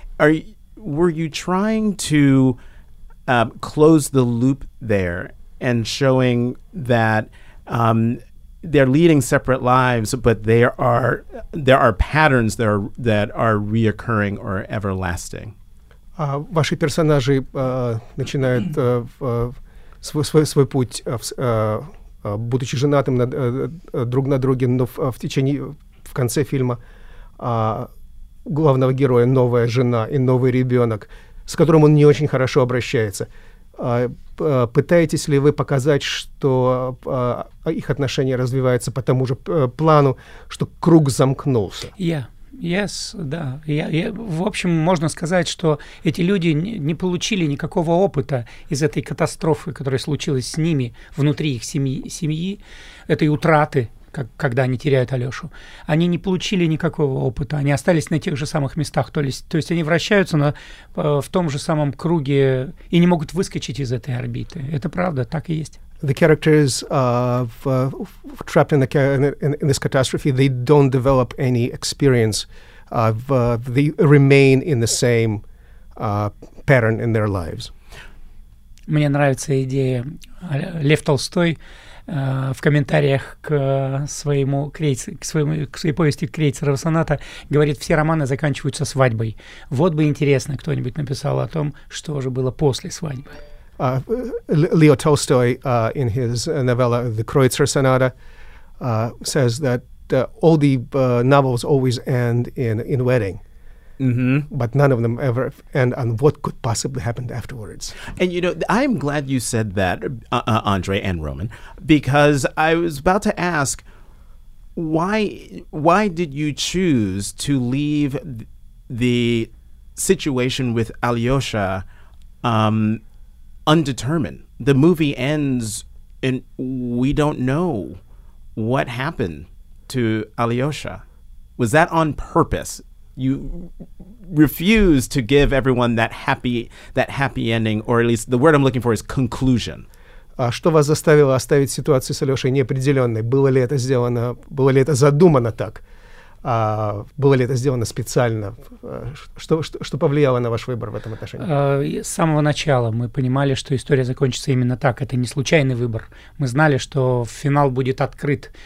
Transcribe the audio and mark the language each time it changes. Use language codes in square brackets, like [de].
[en] Were you trying to close the loop there and showing that they're leading separate lives, but there are patterns that are reoccurring or everlasting? [ru] Ваши персонажи начинают свой путь, будучи женатым друг на друге, но в конце фильма главного героя новая жена и новый ребенок, с которым он не очень хорошо обращается. Пытаетесь ли вы показать, что их отношения развиваются по тому же плану, что круг замкнулся? В общем, можно сказать, что эти люди не получили никакого опыта из этой катастрофы, которая случилась с ними внутри их семьи, этой утраты, когда они теряют Алёшу. Они не получили никакого опыта, они остались на тех же самых местах. То есть они вращаются в том же самом круге и не могут выскочить из этой орбиты. Это правда, так и есть. [en] The characters trapped in this catastrophe, they don't develop any experience. They remain in the same pattern in their lives. [ru] Мне нравится идея Лев Толстой в комментариях к своей повести «Крейцерова соната» говорит: «Все романы заканчиваются свадьбой». Вот бы интересно, кто-нибудь написал о том, что же было после свадьбы. [en] Leo Tolstoy, in his novella The Kreutzer Sonata, says that all the novels always end in wedding, mm-hmm. but none of them ever end on what could possibly happen afterwards. And you know, I'm glad you said that, Andrei and Roman, because I was about to ask, why did you choose to leave the situation with Alyosha undetermined? The movie ends and we don't know what happened to Alyosha. Was that on purpose? you refuse to give everyone that happy ending, or at least the word I'm looking for is conclusion. [ru] Что вас заставило оставить ситуацию с Алёшей неопределённой? Было ли это сделано, было ли это задумано так? Было ли это сделано специально? Что повлияло на ваш выбор в этом отношении? С самого начала мы понимали, что история закончится именно так. Это не случайный выбор. Мы знали, что финал будет открыт.